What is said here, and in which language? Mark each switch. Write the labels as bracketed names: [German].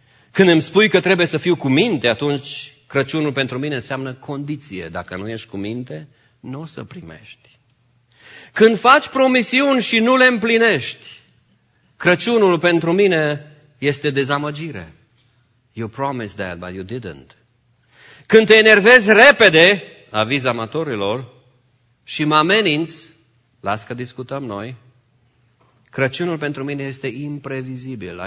[Romanian] Când îmi spui că trebuie să fiu cu minte, atunci Crăciunul pentru mine înseamnă condiție. Dacă nu ești cu minte, nu o să primești. Când faci promisiuni și nu le împlinești, Crăciunul pentru mine este dezamăgire. [English] You promised that, but you didn't. [Romanian] Când te enervezi repede, aviz amatorilor, și mă ameninți, las că discutăm noi, Crăciunul pentru mine este imprevizibil.